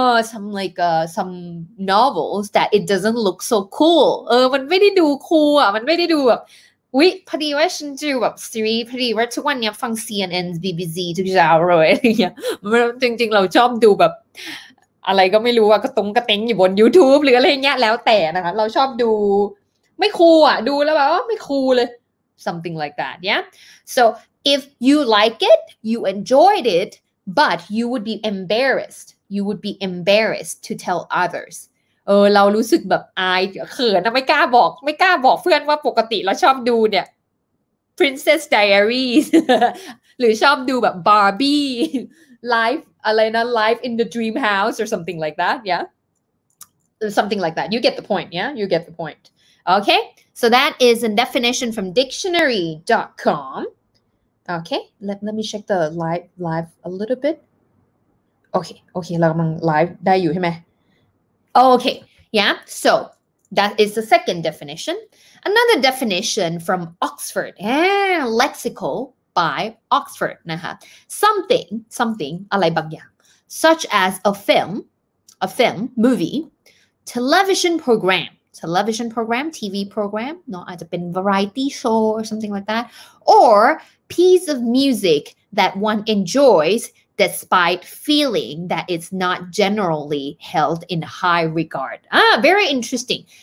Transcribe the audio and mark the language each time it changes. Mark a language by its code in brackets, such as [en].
[en] some like some novels that it doesn't look so cool [th] มันไม่ได้ดูคูลอ่ะมันไม่ได้ดูแบบอุ๊ยพอดีว่าฉันดูแบบซีรีส์พอดีว่าทุกวันเนี้ยฟัง CNN BBC ทุกเช้าเลยเนี่ยจริงๆเราชอบดูแบบ อะไรก็ไม่รู้ว่ากระตุ้งกระเต็งอยู่บน YouTube หรืออะไรเงี้ยแล้วแต่นะคะเราชอบดูไม่คูลอ่ะดูแล้วแบบไม่คูลเลย [en] Something like that, yeah? So if you like it, you enjoyed it, but you would be embarrassed. You would be embarrassed to tell others. [th] เรารู้สึกแบบอายเขินไม่กล้าบอกเพื่อนว่าปกติเราชอบดูเนี่ย Princess Diaries หรือชอบดูแบบ Barbie Life อะไรนะ [en] Life in the Dream House or something like that, yeah? Something like that. You get the point, yeah? You get the point. Okay, so that is a definition from dictionary.com. Okay, let me check the live a little bit. Okay, [th] เรากำลัง live ได้อยู่ใช่ไหม [en] Okay, yeah, so that is the second definition. Another definition from Oxford, lexical by Oxford. นะคะ something, [th] อะไรบางอย่าง [en] such as a film, movie, television program, TV program, no, [th] อาจจะเป็น [en] variety show or something like that, or piece of music that one enjoys despite feeling that it's not generally held in high regard. Very interesting.